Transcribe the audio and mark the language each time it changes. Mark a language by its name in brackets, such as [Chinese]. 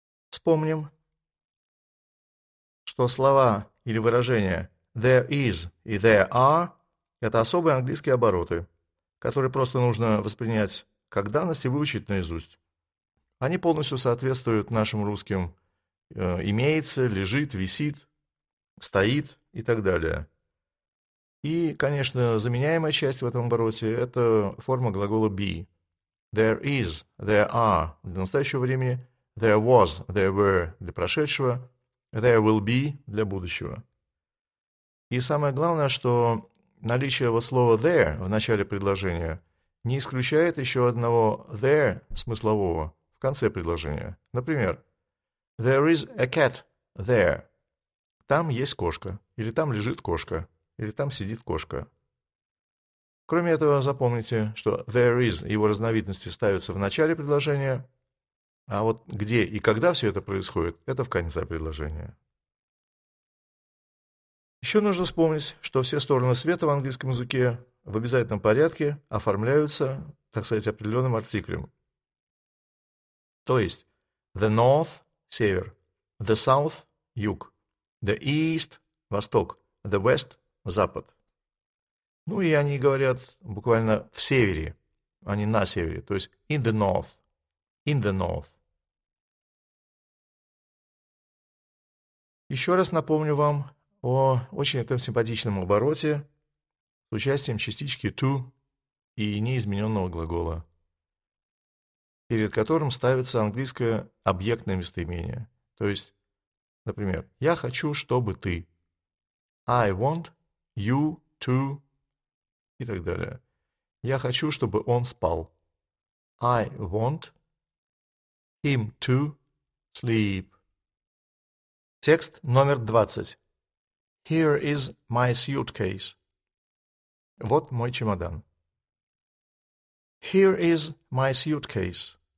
[Russian] Вспомним, что слова или выражения [English] «there is» [Russian] и [English] «there are» [Russian] — это особые английские обороты, которые просто нужно воспринять как данность и выучить наизусть. Они полностью соответствуют нашим русским «имеется», «лежит», «висит», «стоит» и так далее. И, конечно, заменяемая часть в этом обороте — это форма глагола «be». [English] «There is», «there are» [Russian] — для настоящего времени, [English] «there was», «there were» [Russian] — для прошедшего, [English] «there will be» [Russian] — для будущего. И самое главное, что наличие вот слова «there» в начале предложения не исключает еще одного «there» смыслового в конце предложения. Например, [English] «there is a cat there» [Russian] — «там есть кошка», или «там лежит кошка», или «там сидит кошка». Кроме этого, запомните, что «there is» — его разновидности ставятся в начале предложения, а вот где и когда все это происходит — это в конце предложения. Еще нужно вспомнить, что все стороны света в английском языке в обязательном порядке оформляются, так сказать, определенным артиклем. То есть «the north» — север, «the south» — юг, «the east» — восток, «the west» — запад. Ну и они говорят буквально «в севере», а не «на севере», то есть [English] «in the north», [Russian] «in the north». Еще раз напомню вам о очень этом симпатичном обороте с участием частички «to» и неизмененного глагола, перед которым ставится английское объектное местоимение. То есть, например, «я хочу, чтобы ты», [English] «I want you to» [Russian] и так далее. «Я хочу, чтобы он спал», [English] «I want him to sleep». [Russian] Текст номер 20. [English] Here is my suitcase. [Russian] Вот мой чемодан. [English] Here is my suitcase.